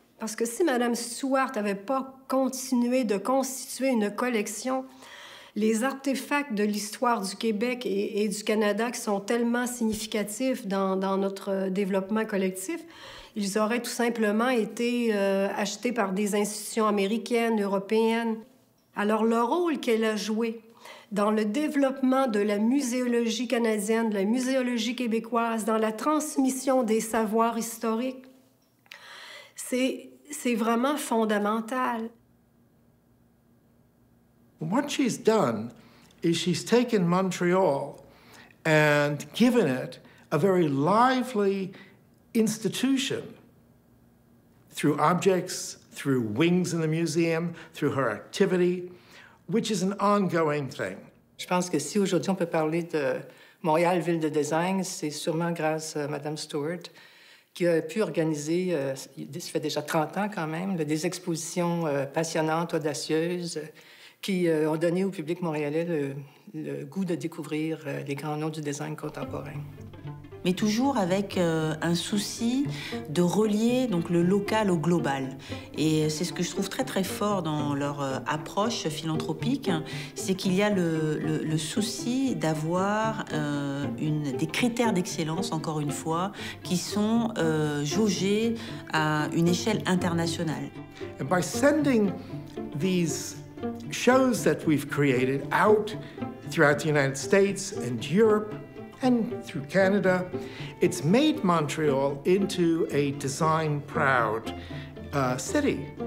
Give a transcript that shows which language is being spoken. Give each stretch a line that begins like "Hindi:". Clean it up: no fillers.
French: Parce que si Mme Stewart n'avait pas continué de constituer une collection, les artefacts de l'histoire du Québec et du Canada qui sont tellement significatifs dans notre développement collectif, ils auraient tout simplement été achetés par des institutions américaines, européennes. Alors, le rôle qu'elle a joué dans le développement de la muséologie canadienne, de la muséologie québécoise, dans la transmission des savoirs historiques, c'est vraiment fondamental.
English: What she's done is she's taken Montreal and given it a very lively institution through objects, through wings in the museum, through her activity, which is an ongoing thing.
French: Je pense que si aujourd'hui on peut parler de Montréal, ville de design, c'est sûrement grâce à Madame Stewart qui a pu organiser, ça fait déjà 30 ans quand même, des expositions passionnantes, audacieuses, qui ont donné au public montréalais le goût de découvrir les grands noms du design contemporain. Mais toujours avec un souci de relier donc le local au global. Et c'est ce que je trouve très, très fort dans leur approche philanthropique, c'est qu'il y a le souci d'avoir des critères d'excellence, encore une fois, qui sont jaugés à une échelle internationale.
English: And by sending these shows that we've created out throughout the United States and Europe, and through Canada, it's made Montreal into a design-proud city.